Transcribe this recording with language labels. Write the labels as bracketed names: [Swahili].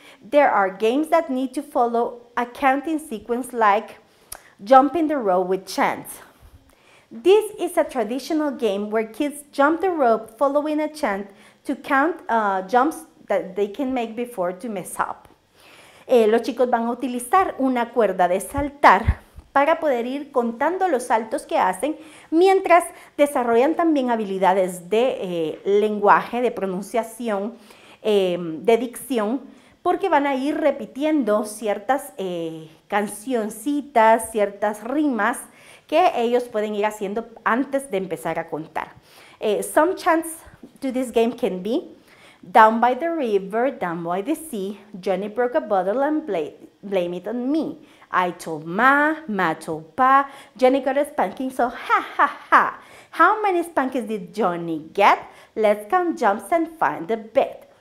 [English] There are games that need to follow a counting sequence like jumping the rope with chants. This is a traditional game where kids jump the rope following a chant to count jumps that they can make before to mess up. [Spanish] Los chicos van a utilizar una cuerda de saltar para poder ir contando los saltos que hacen mientras desarrollan también habilidades de lenguaje, de pronunciación, de dicción, porque van a ir repitiendo ciertas cancioncitas, ciertas rimas que ellos pueden ir haciendo antes de empezar a contar. [English] Some chants to this game can be down by the river, down by the sea, Johnny broke a bottle and blame it on me. I told Ma, Ma told Pa, Johnny got a spanking, so ha ha ha. How many spankings did Johnny get? Let's count jumps and find a bit.